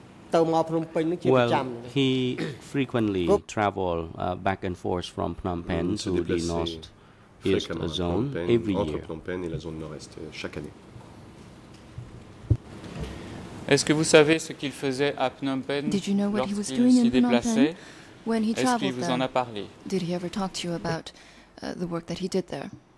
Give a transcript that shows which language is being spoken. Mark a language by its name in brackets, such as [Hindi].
[English] Well, he frequently traveled back and forth from Phnom Penh to the northeast zone every year. [French] Entre Phnom Penh et la zone nord-est chaque année. Est-ce que vous savez ce qu'il faisait à Phnom Penh lorsqu'il s'y déplaçait? Est-ce qu'il vous en a parlé? [English] Did he ever talk to you about the work that he did there?